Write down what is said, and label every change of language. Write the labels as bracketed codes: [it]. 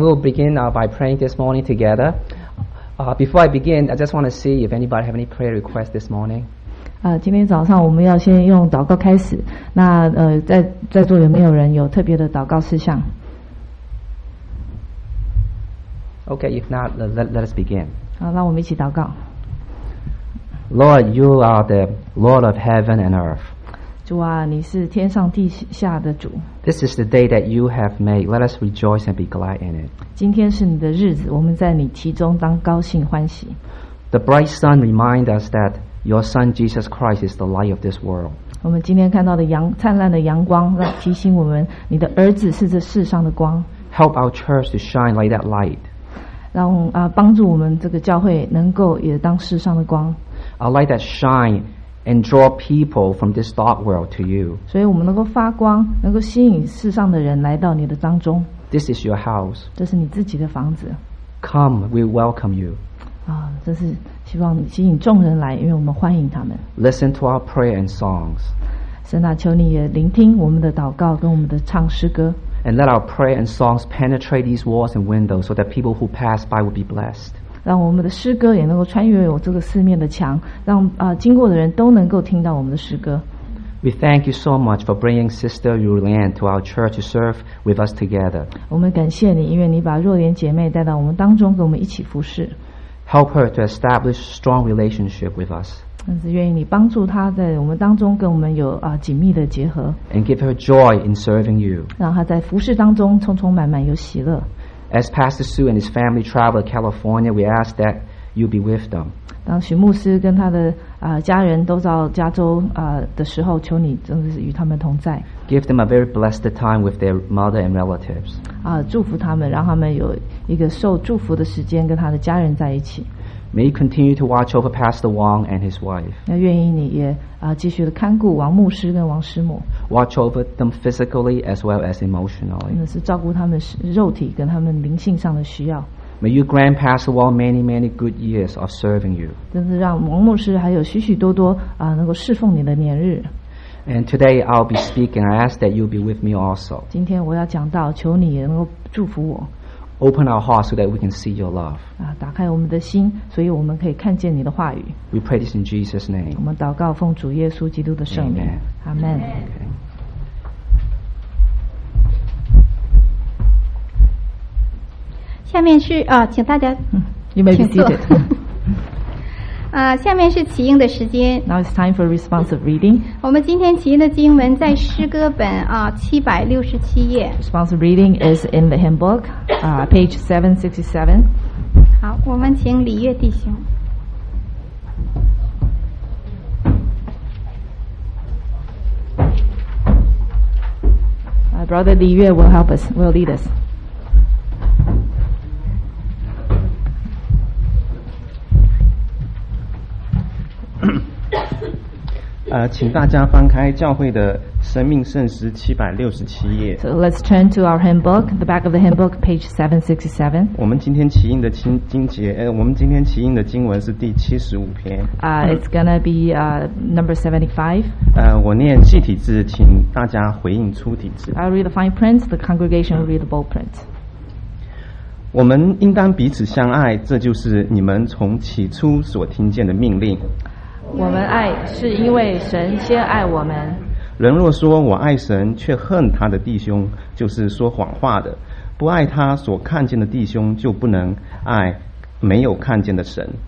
[en] We'll begin by praying this morning together. Before I begin, I just want to see if anybody have any prayer requests this morning. [zh] 今天早上我们要先用祷告开始。那在座有没有人有特别的祷告事项？ [en] Okay, if not, let us begin. [zh] 好，那我们一起祷告。 [en] Lord, you are the Lord of heaven and earth. [zh] 主啊，你是天上地下的主。 [en] This is the day that you have made. Let us rejoice and be glad in it. [zh] 今天是你的日子，我们在你其中当高兴欢喜。 [en] The bright sun reminds us that your Son Jesus Christ is the light of this world. [zh] 我们今天看到的灿烂的阳光，提醒我们你的儿子是这世上的光。 [en] Help our church to shine like that light. [zh] 帮助我们这个教会能够也当世上的光。 [en] A light that shine and draw people from this dark world to you. [zh] 所以我们能够发光，能够吸引世上的人来到你的当中。 [en] This is your house. [zh] 这是你自己的房子。 [en] Come, we welcome you. [zh] 这是希望吸引众人来，因为我们欢迎他们。 [en] Listen to our prayer and songs. [zh] 神啊，求你也聆听我们的祷告跟我们的唱诗歌。 [en] And let our prayer and songs penetrate these walls and windows so that people who pass by will be blessed. [zh] 让我们的诗歌也能够穿越我这个四面的墙，让经过的人都能够听到我们的诗歌。 [en] We thank you so much for bringing Sister Yulian to our church to serve with us together. [zh] 我们感谢你，因为你把若莲姐妹带到我们当中，跟我们一起服侍。 [en] Help her to establish strong relationship with us. [zh] 是愿意你帮助她在我们当中跟我们有紧密的结合。 [en] And give her joy in serving you. [zh] 让她在服侍当中充充满满有喜乐。 [en] As Pastor Sue and his family travel to California, we ask that you be with them. [zh] 当许牧师跟他的家人都到加州的时候，求你真的是与他们同在。 [en] Give them a very blessed time with their mother and relatives. [zh] 祝福他们，让他们有一个受祝福的时间跟他的家人在一起。 [en] May you continue to watch over Pastor Wang and his wife. [zh] 那愿意你也继续的看顾王牧师跟王师母。 [en] Watch over them physically as well as emotionally. [zh] 那是照顾他们肉体跟他们灵性上的需要。 [en] May you grant Pastor Wang many, many good years of serving you. [zh] 真是让王牧师还有许许多多能够侍奉你的年日。 [en] And today I'll be speaking. I ask that you be with me also. [zh] 今天我要讲到，求你也能够祝福我。 [en] Open our hearts so that we can see your love. [zh] 打开我们的心，所以我们可以看见你的话语。 [en] We pray this in Jesus' name. [zh] 我们祷告奉主耶稣基督的圣名。 [en] Amen. [zh] Okay. 下面是请大家。 [en] You may be seated. [zh] 下面是起应的时间。 [en] Now it's time for responsive reading. [zh] 我们今天起应的经文在诗歌本767页。 [en] Responsive reading is in the handbook, page 767. [zh] 好，我们请李月弟兄。 [en] My brother 李月 will help us, will lead us. [zh] 请大家翻开教会的生命圣诗767页。 [en] So let's turn to our handbook, the back of the handbook, page 767. [zh] 我们今天起应的我们今天起应的经文是第75篇。 [en] It's gonna be number 75. [zh] 我念细体字，请大家回应粗体字。 [en] I'll read the fine print, the congregation will read the bold print. [zh] 我们应当彼此相爱，这就是你们从起初所听见的命令。我们爱是因为神先爱我们。人若说我爱神却恨他的弟兄，就是说谎话的。不爱他所看见的弟兄，就不能爱没有看见的神。